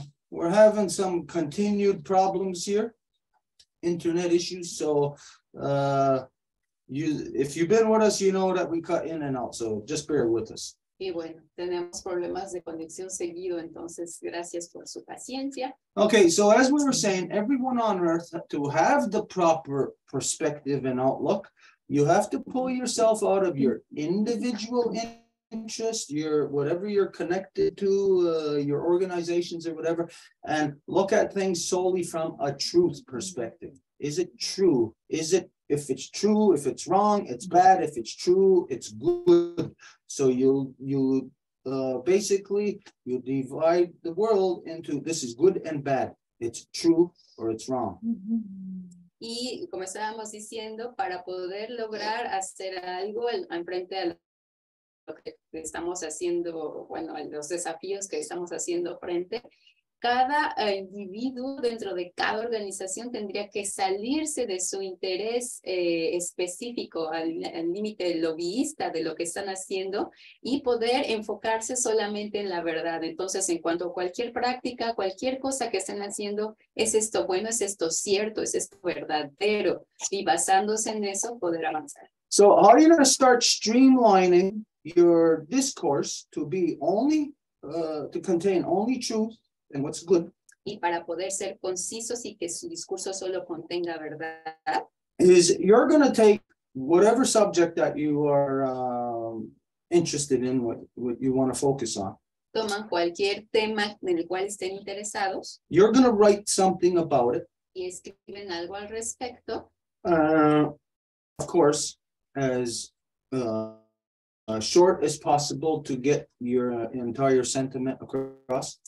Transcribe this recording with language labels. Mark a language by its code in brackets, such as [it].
[en] We're having some continued problems here, internet issues. So, if you've been with us, you know that we cut in and out. So just bear with us. [es] Y bueno, tenemos problemas de conexión seguido, entonces gracias por su paciencia. [en] Okay, so as we were saying, everyone on earth, to have the proper perspective and outlook, you have to pull yourself out of your individual interest, your whatever you're connected to, your organizations or whatever, and look at things solely from a truth perspective. Is it true? Is it, if it's true, if it's wrong, it's bad. If it's true, it's good. So you divide the world into this is good and bad. It's true or it's wrong. [es] Y como estábamos diciendo, para poder lograr hacer algo enfrente a lo que estamos haciendo, bueno, los desafíos que estamos haciendo frente, cada individuo dentro de cada organización tendría que salirse de su interés específico al límite lobbyista de lo que están haciendo y poder enfocarse solamente en la verdad. Entonces, en cuanto a cualquier práctica, cualquier cosa que estén haciendo, ¿es esto bueno? ¿Es esto cierto? ¿Es esto verdadero? Y basándose en eso, poder avanzar. [en] So, how are you going to start streamlining your discourse to be only, to contain only truth? And what's good? [es] Y para poder ser concisos y que su discurso solo contenga verdad. [en] Is you're going to take whatever subject that you are interested in, what you want to focus on. [es] Toman cualquier tema en el cual estén interesados. [en] You're going to write something about it. [es] Y escriben algo al respecto. [en] Of course, as short as possible to get your entire sentiment across.